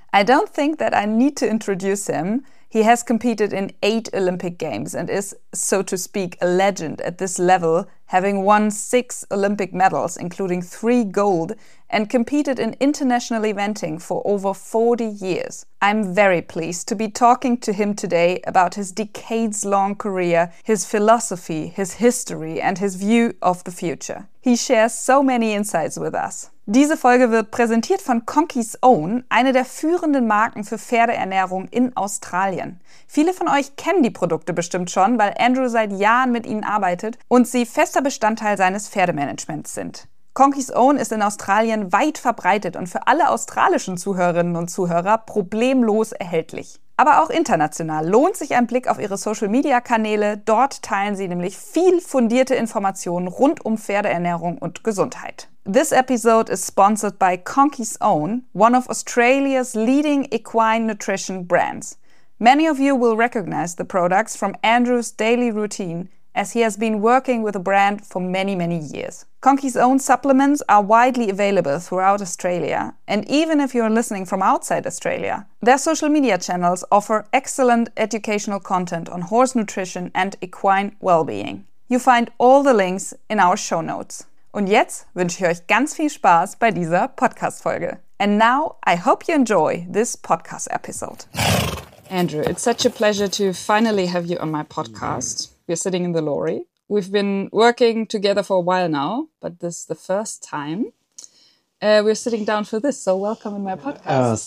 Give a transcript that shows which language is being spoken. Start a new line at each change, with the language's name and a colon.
English: I don't think that I need to introduce him. He has competed in 8 Olympic Games and is, so to speak, a legend at this level, having won 6 Olympic medals, including 3 gold, and competed in international eventing for over 40 years. I'm very pleased to be talking to him today about his decades-long career, his philosophy, his history, and his view of the future. He shares so many insights with us.
German: Diese Folge wird präsentiert von Conky's Own, eine der führenden Marken für Pferdeernährung in Australien. Viele von euch kennen die Produkte bestimmt schon, weil Andrew seit Jahren mit ihnen arbeitet und sie fester Bestandteil seines Pferdemanagements sind. Conky's Own ist in Australien weit verbreitet und für alle australischen Zuhörerinnen und Zuhörer problemlos erhältlich. Aber auch international lohnt sich ein Blick auf ihre Social-Media-Kanäle. Dort teilen sie nämlich viel fundierte Informationen rund um Pferdeernährung und Gesundheit.
English: This episode is sponsored by Conky's Own, one of Australia's leading equine nutrition brands. Many of you will recognize the products from Andrew's daily routine, as he has been working with the brand for many, many years. Conky's Own supplements are widely available throughout Australia, and even if you're listening from outside Australia, their social media channels offer excellent educational content on horse nutrition and equine well-being. You find all the links in our show notes.
German: Und jetzt wünsche ich euch ganz viel Spaß bei dieser Podcast-Folge.
English: And now, I hope you enjoy this podcast episode. Andrew, it's such a pleasure to finally have you on my podcast. We're sitting in the lorry. We've been working together for a while now, but this is the first time we're sitting down for this. So welcome in my podcast.